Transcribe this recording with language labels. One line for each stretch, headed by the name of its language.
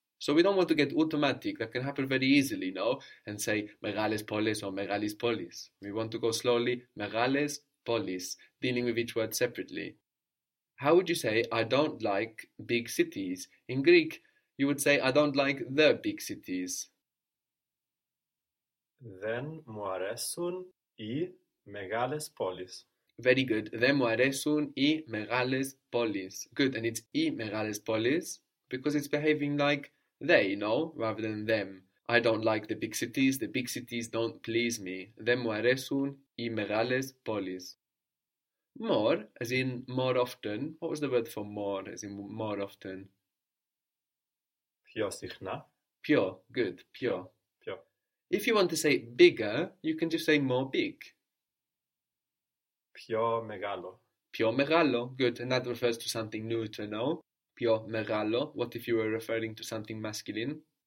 English: So we don't want to get automatic. That can happen very easily, no? And say,
Greek: megales polis or megalis polis.
English: We want to go slowly,
Greek: megales polis,
English: dealing with each word separately. How would you say, I don't like big cities? In Greek, you would say, I don't like the big cities.
Greek: Δεν μου αρέσουν οι μεγάλες πόλεις.
English: Very good.
Greek: Δε μου αρέσουν οι μεγάλες πόλεις.
English: Good. And it's
Greek: οι μεγάλες πόλεις
English: because it's behaving like they, no? Rather than them. I don't like the big cities. The big cities don't please me.
Greek: Δε μου αρέσουν οι μεγάλες πόλεις.
English: More, as in more often. What was the word for more, as in more often?
Greek: Πιο συχνά.
English: Pure. Good. Pure. If you want to say bigger, you can just say more big.
Greek: Πιο μεγάλο. Pio megalo,
English: good, and that refers to something neuter, no? Pio megalo, what if you were referring to something masculine?